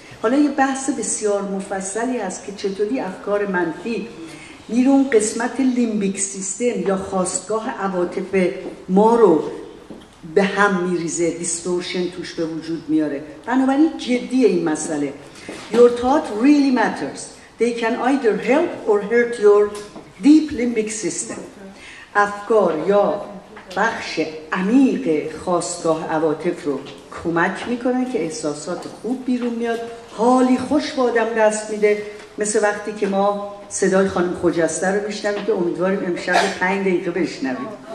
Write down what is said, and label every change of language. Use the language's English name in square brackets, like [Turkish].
[Persian] حالا یه بحث بسیار مفصلی هست که چطوری افکار منفی میره اون قسمت لیمبیک سیستم یا خواستگاه عواطف ما رو به هم میریزه، دیستورشن توش به وجود میاره. بنابراین جدیه این مسئله. [English] Your thought really matters. They can either help or hurt your deep limbic system. [Persian] افکار یا بخش عمیق خواستگاه عواطف رو کمک میکنن که احساسات خوب بیرون میاد، حالی خوش با آدم دست میده، مثل وقتی که ما صدای خانم خجسته رو میشنویم که امیدواریم امشب 5 دقیقه بشنویم.